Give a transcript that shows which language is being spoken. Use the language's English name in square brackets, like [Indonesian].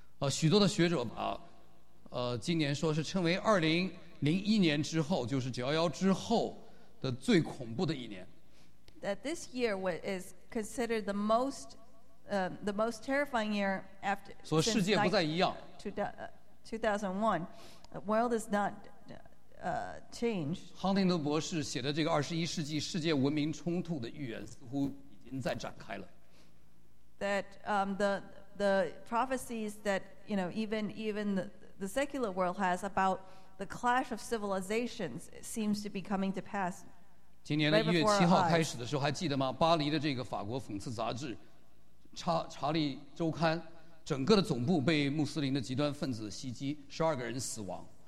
[Chinese] 许多的学者把，今年说是称为2001年之后，就是911之后的最恐怖的一年。 [English] That this year is considered the most terrifying year after. [Chinese] 所以世界不再一样。 [English] 2001, the world is not. Changed. [Chinese] Huntington 博士写的这个21世纪世界文明冲突的预言似乎已经在展开了。 [English] That the prophecies that you know even the secular world has about the clash of civilizations seems to be coming to pass. [Chinese] 今年的1月7号开始的时候还记得吗？巴黎的这个法国讽刺杂志《查理周刊》整个的总部被穆斯林的极端分子袭击，12个人死亡。